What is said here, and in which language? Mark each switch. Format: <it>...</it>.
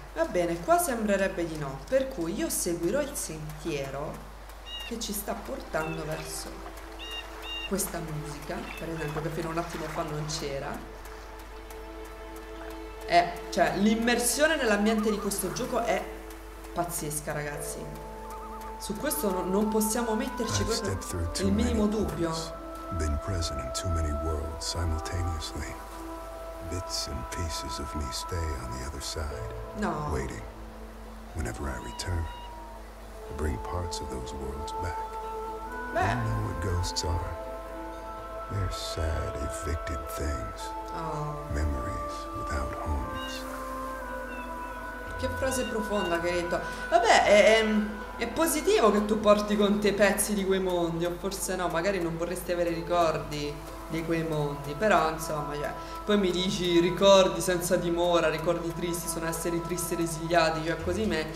<it>Va bene, qua sembrerebbe di no, per cui io seguirò il sentiero che ci sta portando verso questa musica, per esempio, che fino a un attimo fa non c'era. Cioè, l'immersione nell'ambiente di questo gioco è pazzesca, ragazzi. Su questo non possiamo metterci il minimo dubbio.</it> <en>Been present in too many worlds simultaneously. Bits and pieces of me stay on the other side. No. Waiting. Whenever I return, I bring parts of those worlds back. I know what ghosts are. They're sad, evicted things. Memories without homes.</en> <it>Che frase profonda che hai detto. Vabbè, è positivo che tu porti con te pezzi di quei mondi, o forse no, magari non vorresti avere ricordi di quei mondi, però insomma, cioè, poi mi dici ricordi senza dimora, ricordi tristi, sono esseri tristi e resiliati, cioè così</it>